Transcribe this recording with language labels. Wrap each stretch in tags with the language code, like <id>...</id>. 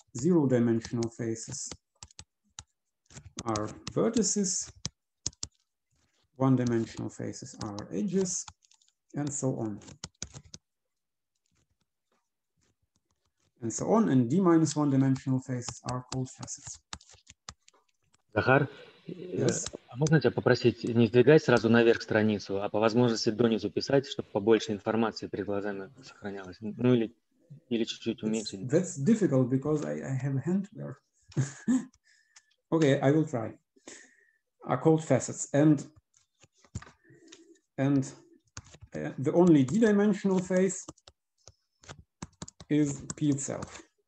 <en>Zero dimensional faces are vertices. One dimensional faces are edges, and so on. And D minus one dimensional faces are called facets. Zakhar, yes.</en> <ru>Можно тебя попросить не сдвигать сразу наверх страницу, а по возможности донизу писать, чтобы побольше информации перед глазами сохранялось. Ну или чуть-чуть уменьшить.</ru> <en>That's difficult because I have a hand there. Okay, I will try. Are called facets, and the only d-dimensional face is P itself.</en>